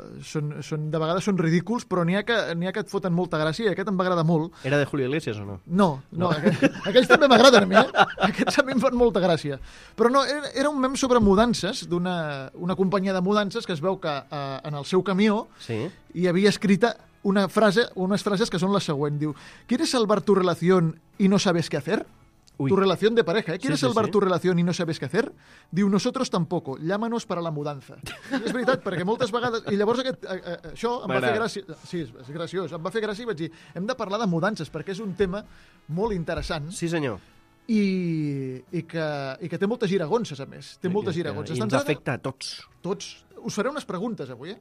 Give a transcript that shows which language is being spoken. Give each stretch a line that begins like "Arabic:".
Catalan: Són, de vegades són ridículs, però n'hi ha que et foten molta gràcia, i aquest em va agradar molt. Era de Julio Iglesias o no? No. Aquells també m'agraden a mi, eh? Aquests a mi em fan molta gràcia. Però no, era un mem sobre mudances, d'una companyia de mudances que es veu que en el seu camió sí. Hi havia escrita una frase, unes frases que són la següent.
Spanish: Diu, ¿quieres salvar tu relación y no sabes qué hacer?
Catalan: Ui. Tu relació de
Spanish: pareja, ¿eh? ¿Quieres salvar tu relación y no sabes qué hacer? Diu, nosotros tampoco, llámanos para la mudanza.
Catalan: I és veritat, perquè moltes vegades... I llavors això em va fer gràcia... Sí, és graciós. Em va fer gràcia i vaig dir, hem de parlar de mudances, perquè és un tema molt interessant. Sí, senyor. I que té moltes giragonses, a més. Té moltes giragonses. I ens afecta a tots. Tots. Us faré unes preguntes avui, eh?